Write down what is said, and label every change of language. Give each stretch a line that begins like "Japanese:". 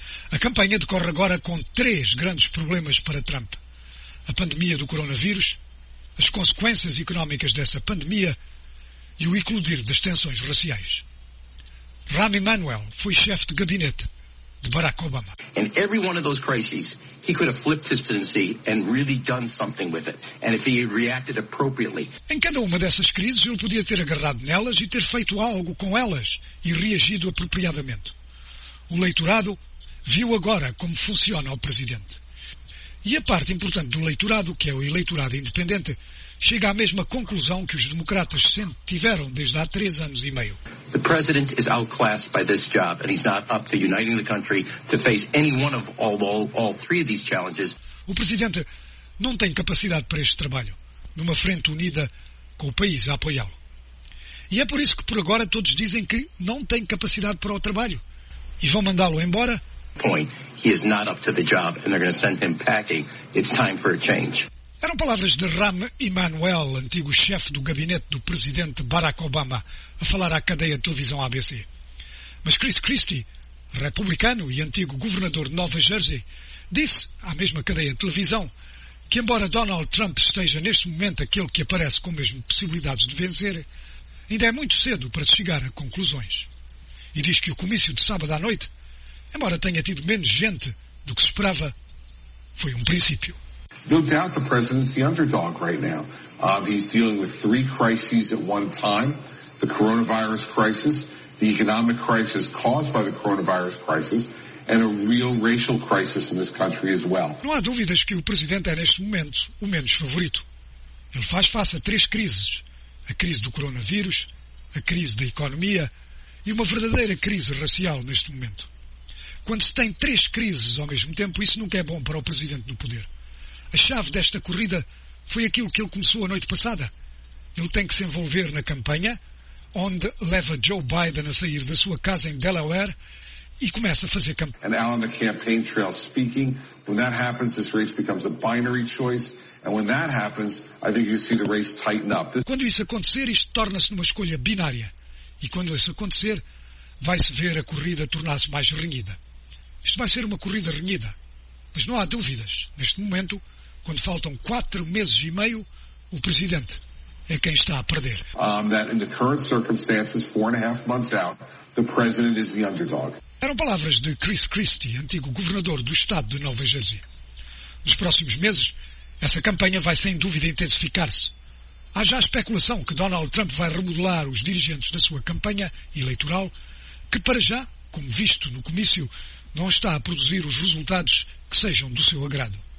Portuguese: A campanha decorre agora com três grandes problemas para Trump: a pandemia do coronavírus, as consequências económicas dessa pandemia e o eclodir das tensões raciais. Rahm Emanuel foi chefe de gabinete de Barack Obama.
English: In every one of those crises, he could have flipped his presidency and really done something with it. And if he had reacted appropriately.
Portuguese: Em cada uma dessas crises, ele podia ter agarrado nelas e ter feito algo com elas e reagido apropriadamente. O leitorado viu agora como funciona o presidente. E a parte importante do leitorado, que é o eleitorado independente, chega à mesma conclusão que os democratas sempre tiveram desde há 3 anos e meio.
English: The president is outclassed by this job and he's not up to uniting the country to face any one of all three of these challenges.
Portuguese: O presidente não tem capacidade para este trabalho, numa frente unida com o país a apoiá-lo. E é por isso que por agora todos dizem que não tem capacidade para o trabalho e vão mandá-lo embora.
English: Point. He is not up to the job and they're going to send him packing. It's time for a change.
Portuguese: Eram palavras de Rahm Emanuel, antigo chefe do gabinete do presidente Barack Obama, a falar à cadeia de televisão ABC. Mas Chris Christie, republicano e antigo governador de Nova Jersey, disse à mesma cadeia de televisão que, embora Donald Trump esteja neste momento aquele que aparece com mesmo possibilidades de vencer, ainda é muito cedo para se chegar a conclusões. E diz que o comício de sábado à noite, embora tenha tido menos gente do que se esperava, foi um princípio.
English: No doubt the president's the underdog right now. He's dealing with 3 crises at one time. The coronavirus crisis, the economic crisis caused by the coronavirus crisis, and a real racial crisis in this country as well.
Portuguese: Não há dúvidas que o presidente é neste momento o menos favorito. Ele faz face a 3 crises. A crise do coronavírus, a crise da economia e uma verdadeira crise racial neste momento. Quando se tem 3 crises ao mesmo tempo, isso nunca é bom para o presidente no poder. A chave desta corrida foi aquilo que ele começou a noite passada. Ele tem que se envolver na campanha, onde leva Joe Biden a sair da sua casa em Delaware e começa a fazer campanha.
English: And on the campaign trail speaking, when that happens, this race becomes a binary choice. And when that happens, I think you see the race tighten up.
Portuguese: Quando isso acontecer, isto torna-se numa escolha binária. E quando isso acontecer, vai-se ver a corrida tornar-se mais renhida. Isto vai ser uma corrida renhida. Mas não há dúvidas, neste momento, quando faltam 4 meses e meio, o presidente é quem está a perder.
English: That in the current circumstances, 4.5 months out, the president is the underdog.
Portuguese: Eram palavras de Chris Christie, antigo governador do estado de Nova Jersey. Nos próximos meses, essa campanha vai sem dúvida intensificar-se. Há já especulação que Donald Trump vai remodelar os dirigentes da sua campanha eleitoral, que para já, como visto no comício, não está a produzir os resultados que sejam do seu agrado.